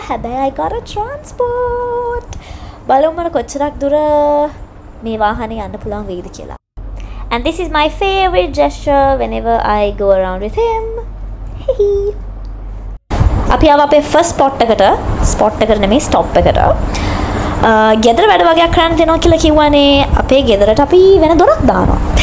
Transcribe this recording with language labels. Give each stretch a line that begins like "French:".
Sinhala: හැබැයි
English: I got a transport.
Sinhala: බලමු මම කොච්චරක් දුර මේ වාහනේ යන්න පුළුවන් වෙයිද කියලා.
English: And this is my favorite gesture whenever I go around with him. Hehe.
Sinhala: අපි ආව අපේ ෆස්ට් ස්පොට් එකට නෙමෙයි ස්ටොප් එකට. ගෙදර වැඩ වගේක් කරන්න දෙනවා කියලා කිව්වනේ. අපේ ගෙදරට අපි වෙන දොරක් දානවා.